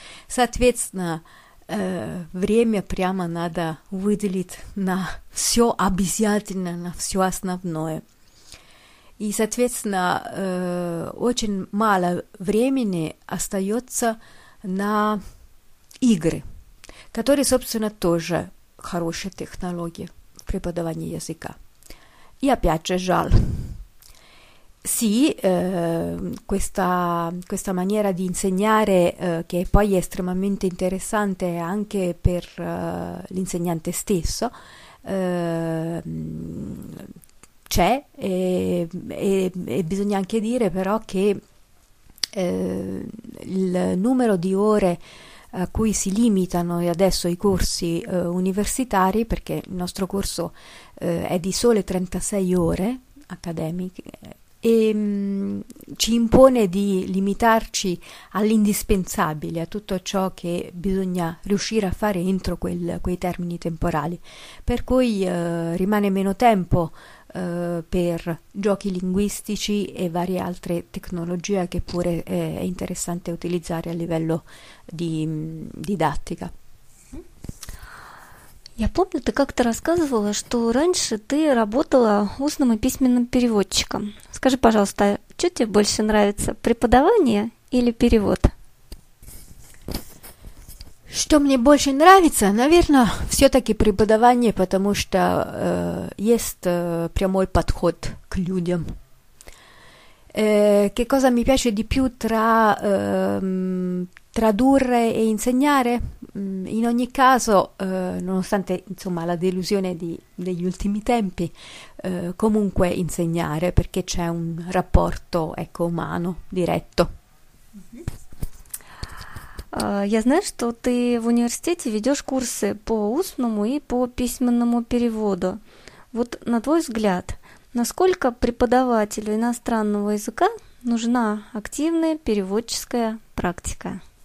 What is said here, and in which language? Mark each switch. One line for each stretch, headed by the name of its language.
Russian: Соответственно, время прямо надо выделить на все обязательно, на все основное. И, соответственно, очень мало времени остается на игры, которые, собственно, тоже хорошие технологии в преподавании языка. И опять же, жаль.
Italian: Sì, questa maniera di insegnare, che poi è estremamente interessante anche per l'insegnante stesso, c'è, e bisogna anche dire però che il numero di ore a cui si limitano adesso i corsi universitari, perché il nostro corso è di sole 36 ore accademiche, e ci impone di limitarci all'indispensabile, a tutto ciò che bisogna riuscire a fare entro quei termini temporali. Per cui rimane meno tempo per giochi linguistici e varie altre tecnologie che pure è interessante utilizzare a livello di didattica.
Russian: Я помню, ты как-то рассказывала, что раньше ты работала устным и письменным переводчиком. Скажи, пожалуйста, что тебе больше нравится, преподавание или перевод? Что мне больше нравится? Наверное, все-таки преподавание, потому что есть прямой подход к людям.
Italian: Che cosa mi piace di più tra tradurre e insegnare? In ogni caso, nonostante insomma la delusione degli ultimi tempi, comunque insegnare, perché c'è un rapporto, ecco, umano, diretto.
Russian: Я знаю, что ты в университете ведешь курсы по устному и по письменному переводу. Вот на твой взгляд, насколько преподавателю иностранного языка нужна активная переводческая практика?